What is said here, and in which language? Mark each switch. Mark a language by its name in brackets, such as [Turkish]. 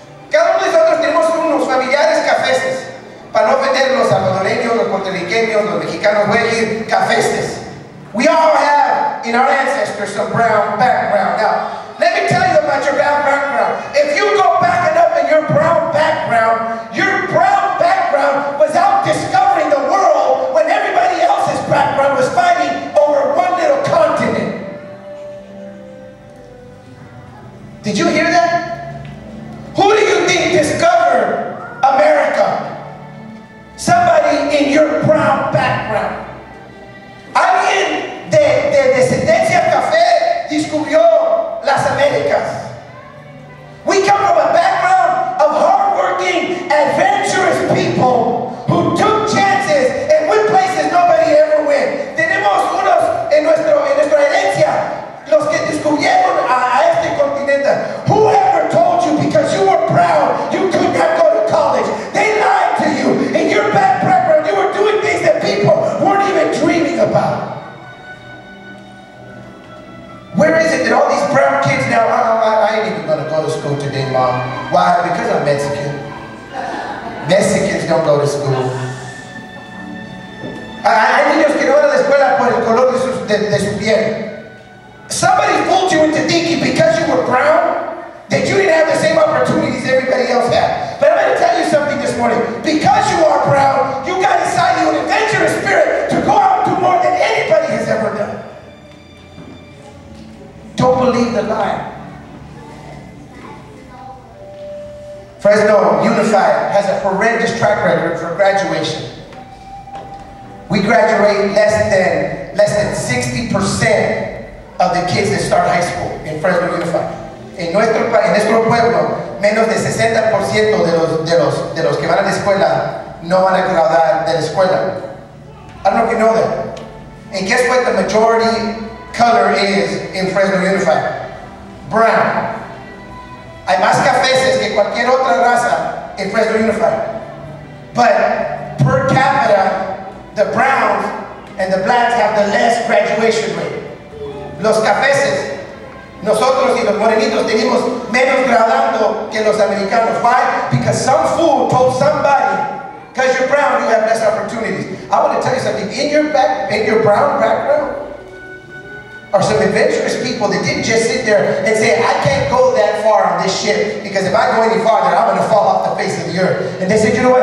[Spanish] Cada uno de nosotros tenemos unos familiares cafeses. Para no ofender los salvadoreños, los puertorriqueños, los mexicanos, güey, cafeses. [English] We all have in our ancestors some brown background. Now, let me tell you about your brown background. If you go back enough in your brown background, your brown background was out discovering the world when everybody else's background was fighting over one little continent. Did you hear that? Who do you think discovered America? Somebody in your brown background. [Spanish] Alguien de descendencia café descubrió las Américas. [English] We come from a background of hardworking, adventurous people who took chances and went places nobody ever went. [Spanish] Tenemos unos en nuestra herencia, los que descubrieron a este continente. [English] Whoever told you because you were proud, you could not go to college. They lied to you. In your back background, you were doing things that people weren't even dreaming about. Where is it that all these brown kids now, I ain't even gonna go to school today, Mom. Why? Because I'm Mexican. Mexicans don't go to school. [Spanish] Hay niños que no van a la escuela por el color de su piel. [English] Somebody fooled you into thinking because you were brown that you didn't have the same opportunities everybody else had. But I'm gonna tell you something this morning. Because you are brown, you got inside you an adventurous spirit to go out and do more than anybody has ever done. Don't believe the lie. Fresno Unified has a horrendous track record for graduation. We graduate less than 60% of the kids that start high school in Fresno Unified. [Spanish] En nuestro país, en nuestro pueblo, menos de 60% de los que van a la escuela no van a graduar de la escuela. [English] I don't know if you know that. And guess what? The majority color is in Fresno Unified. Brown. [Spanish] Hay más cafeses que cualquier otra raza in Fresno Unified. [English] But per capita, the browns and the blacks have the less graduation rate. [Spanish] Los cafeses, nosotros y los morenitos tenemos menos graduando que los americanos. [English] Why? Because some fool told somebody, because you're brown, you have less opportunities. I want to tell you something. In your brown background, are some adventurous people that didn't just sit there and say, I can't go that far on this ship because if I go any farther, I'm going to fall off the face of the earth. And they said, you know what?